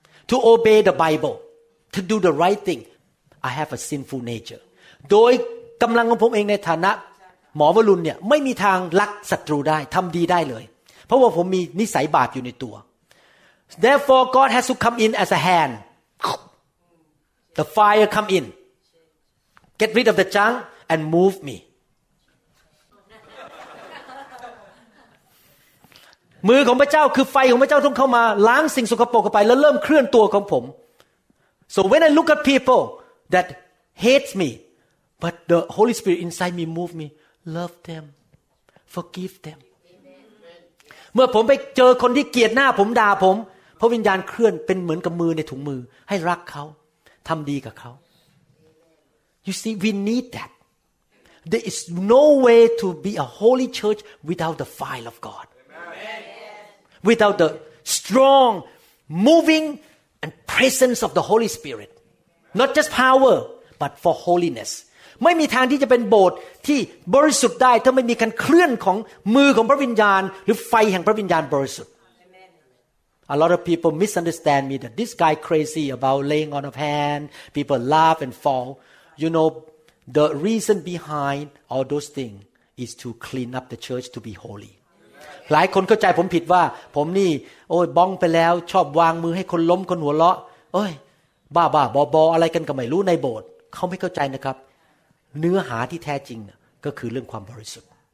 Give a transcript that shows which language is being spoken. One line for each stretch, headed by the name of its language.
English: To obey the Bible, to do the right thing, I have a sinful nature.
Thai: โดยกำลังของผมเองในฐานะหมอวรุณเนี่ยไม่มีทางรักศัตรูได้ทำดีได้เลย พราะว่าผมมีนิสัยบาปอยู่ในตัว
English: Therefore God has to come in as a hand The fire come in Get rid of the junk and move me
Thai: มือของพระเจ้าคือไฟของพระเจ้าต้องเข้ามาล้างสิ่งสกปรกออกไปแล้วเริ่มเคลื่อนตัวของผม
English: So when I look at people that hates me but the Holy Spirit inside me move me love themForgive them.
Thai: เมื่อผมไปเจอคนที่เกลียดหน้าผมด่าผมพระวิญญาณเคลื่อนเป็นเหมือนกับมือในถุงมือให้รักเขาทำดีกับเขา
English: You see, we need that. There is no way to be a holy church without the fire of God. Amen. Without the strong, moving, and presence of the Holy Spirit. Not just power, but for holiness.
Thai: ไม่มีทางที่จะเป็นโบสถ์ที่บริสุทธิ์ได้ถ้าไม่มีการเคลื่อนของมือของพระวิญญาณหรือไฟแห่งพระวิญญาณบริสุทธิ์ Amen.
English: A lot of people misunderstand me that this guy crazy about laying on of hand people laugh and fall you know the reason behind all those things is to clean up the church to be holy
Thai: หลายคนเข้าใจผมผิดว่าผมนี่โอ้ยบ้องไปแล้วชอบวางมือให้คนล้มคนหัวเราะเอ้ยบ้าบ้าบอบออะไรกันก็ไม่รู้ในโบสถ์เขาไม่เข้าใจนะครับเนื้อหาที่แท้จริงก็คือเรื่องความบริสุทธิ์